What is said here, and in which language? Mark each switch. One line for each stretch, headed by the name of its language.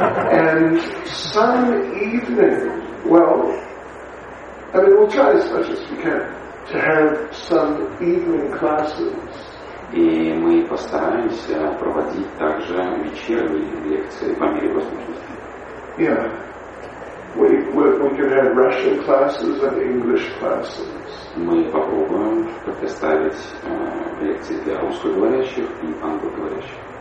English: And some evening, well, I mean, we'll try as much as we can. to have some evening classes.
Russian: И мы постараемся проводить также вечерние лекции по мере возможности.
English: Yeah. We can have Russian classes and English classes.
Russian: Мы попробуем предоставить лекции для русскоговорящих и англоговорящих.